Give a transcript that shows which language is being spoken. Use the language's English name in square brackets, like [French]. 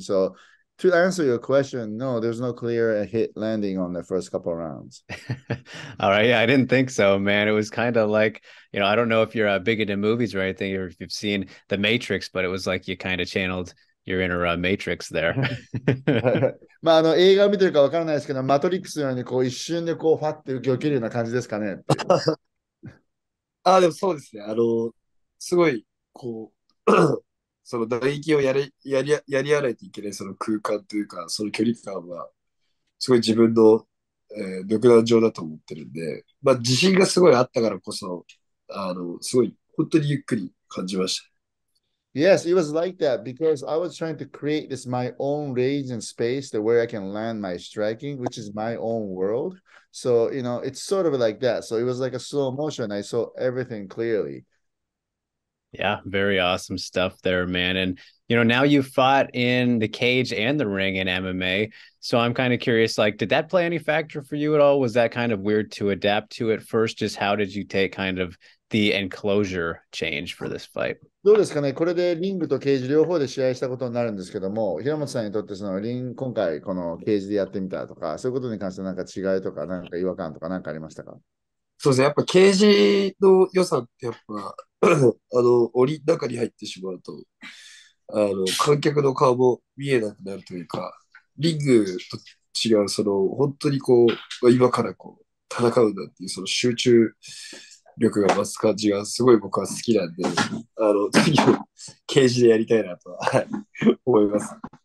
[English] So, to answer your question, no, there's no clear hit landing on the first couple of rounds. All right. Yeah, I didn't think so, man. It was kind of like, you know, I don't know if you're big into movies or anything, or if you've seen The Matrix, but it was like you kind of channeled your inner Matrix there. [Japanese] まあ、映画を見てるか分からないですけど、マトリックスのようにこう一瞬でこうファッて受け受けるような感じですかね。あ、でもそうですね。すごい、こう、その打撃をやりやらないといけないその空間というかその距離感はすごい自分の、独断上だと思ってるんで、まあ、自信がすごいあったからこそすごい本当にゆっくり感じました。 [English] Yes, it was like that because I was trying to create this my own range and space that where I can land my striking, which is my own world. So, you know, it's sort of like that. So it was like a slow motion. I saw everything clearly. Yeah, very awesome stuff there, man. And, you know, now you've fought in the cage and the ring in MMA. So I'm kind of curious, like, did that play any factor for you at all? Was that kind of weird to adapt to at first? Just how did you take kind of the enclosure change for this fight? [Japanese] どうですかね。これでリングとケージ両方で試合したことになるんですけども、平本さんにとってそのリング今回このケージでやってみたとか、そういうことに関してなんか違いとかなんか違和感とかなんかありましたか？そうですね。やっぱケージの良さってやっぱ檻の中に入ってしまうと観客の顔も見えなくなるというか、リングと違うその本当にこう今からこう戦うなんていうその集中力が増す感じがすごい僕は好きなんで、次もケージでやりたいなとは思います。